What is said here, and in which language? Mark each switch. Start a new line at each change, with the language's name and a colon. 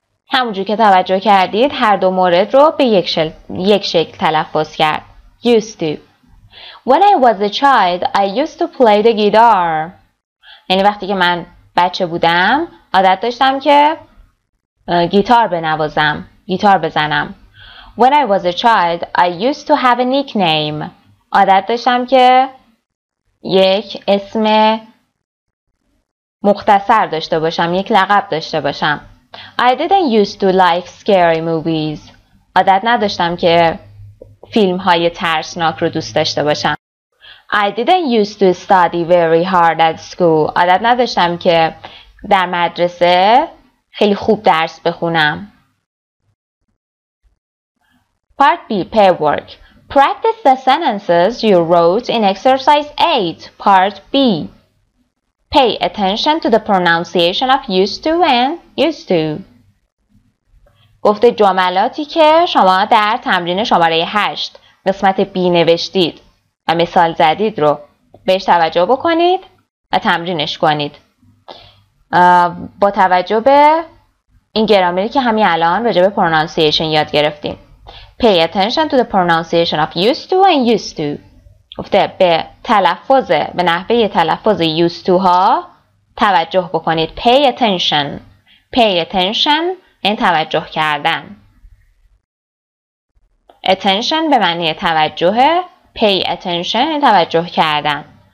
Persian: همونجور که توجه کردید هر دو مورد رو به یک شکل تلفظ کرد.
English: Used to. When I was a child, I used to play the guitar.
Persian: یعنی وقتی که من بچه بودم عادت داشتم که گیتار بنوازم. گیتار بزنم.
English: When I was a child, I used to have a nickname.
Persian: عادت داشتم که یک اسم مختصر داشته باشم. یک لقب داشته باشم.
English: I didn't used to like scary movies.
Persian: عادت نداشتم که فیلم های ترسناک رو دوست داشته باشم.
English: I didn't used to study very hard at school.
Persian: عادت نداشتم که در مدرسه خیلی خوب درس بخونم.
English: Part B, pair work. Practice the sentences you wrote in exercise 8, part B. Pay attention to the pronunciation of used to and used to.
Persian: گفته جملاتی که شما در تمرین شماره 8 قسمت B نوشتید و مثال زدید رو بهش توجه بکنید و تمرینش کنید. با توجه به این گرامری که همین الان راجع به پرونانسیشن یاد گرفتیم.
English: Pay attention to the pronunciation of used to and used to.
Persian: گفته به تلفظ به نحوه تلفظ used to ها توجه بکنید.
English: Pay attention. Pay attention
Persian: این توجه کردن. Attention به معنی توجه. Pay attention این توجه کردن.